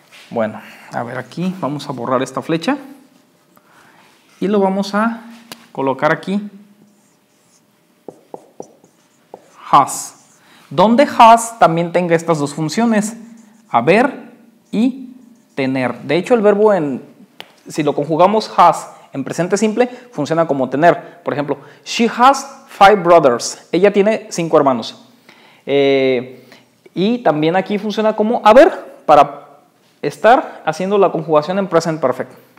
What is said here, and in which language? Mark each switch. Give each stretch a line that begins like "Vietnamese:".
Spanish: Bueno, a ver aquí, vamos a borrar esta flecha. Y lo vamos a colocar aquí. Has. Donde has también tenga estas dos funciones. Haber y tener. De hecho, el verbo en, si lo conjugamos has en presente simple, funciona como tener.
English: Por ejemplo, she has five brothers.
Spanish: Ella tiene cinco hermanos. Y también aquí funciona como haber para estar haciendo la conjugación en present perfect.